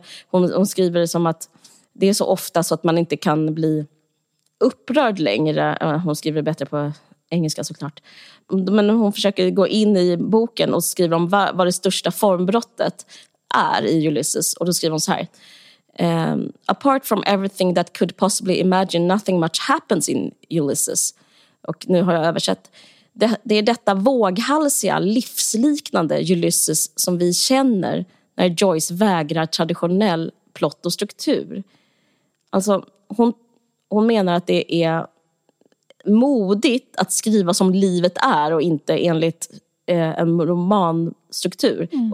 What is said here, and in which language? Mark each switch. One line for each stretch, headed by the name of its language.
Swedish: Hon skriver det som att det är så ofta så att man inte kan bli upprörd längre. Hon skriver bättre på engelska såklart. Men hon försöker gå in i boken och skriva om vad det största formbrottet är i Ulysses. Och då skriver hon så här.
English: Apart from everything that could possibly imagine, nothing much happens in Ulysses.
Swedish: Och nu har jag översatt. Det är detta våghalsiga, livsliknande Ulysses som vi känner när Joyce vägrar traditionell plott och struktur. Alltså, hon menar att det är modigt att skriva som livet är och inte enligt en romanstruktur. Mm.